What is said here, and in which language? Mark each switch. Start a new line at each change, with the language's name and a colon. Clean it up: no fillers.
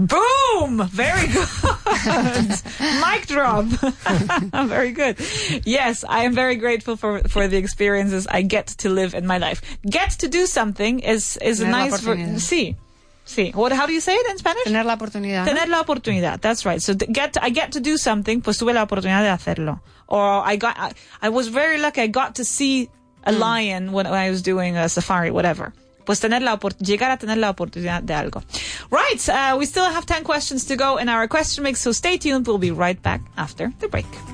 English: Boom! Very good. Mic drop. Very good. Yes, I am very grateful for the experiences I get to live in my life. Get to do something is a nice... Sí. What? How do you say it in Spanish?
Spanish: Tener la oportunidad. Tener la oportunidad.
English: That's right. So I get to do something,
Spanish: pues tuve la oportunidad de hacerlo.
English: Or I was very lucky, I got to see a lion when I was doing a safari, whatever.
Spanish: Pues tener la oportunidad, llegar a tener la oportunidad de algo.
English: Right, we still have 10 questions to go in our question mix, so stay tuned. We'll be right back after the break.